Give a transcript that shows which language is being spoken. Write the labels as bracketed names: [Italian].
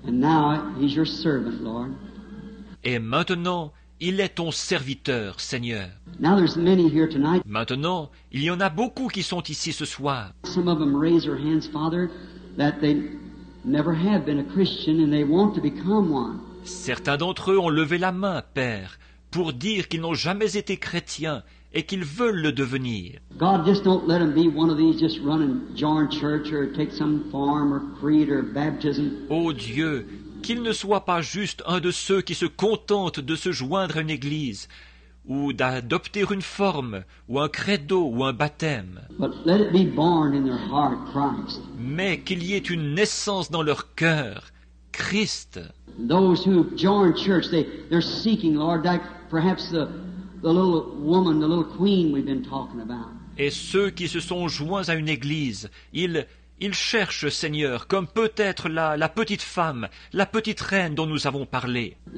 [English] And now he's your servant, Lord. [French] Et maintenant, il est ton serviteur, Seigneur. [English] Now there's many here tonight. [French] Maintenant, il y en a beaucoup qui sont ici ce soir. [English] Some of them raise their hands, Father, that they never have been a Christian and they want to become one. [French] Certains d'entre eux ont levé la main, Père, pour dire qu'ils n'ont jamais été chrétiens et qu'ils veulent le devenir. [English] God, just don't let them be one of these just running John church or take some form or creed or baptism. [French] Oh Dieu, qu'il ne soit pas juste un de ceux qui se contentent de se joindre à une église, ou d'adopter une forme, ou un credo, ou un baptême. [English] But let it be born in their heart, Christ. [French] Mais qu'il y ait une naissance dans leur cœur, Christ. [English] Those who join church, they're seeking, Lord, like perhaps the little woman, the little queen we've been talking about. [French] Et ceux qui se sont joints à une église, ils cherchent, Seigneur, comme peut-être la petite femme, la petite reine dont nous avons parlé.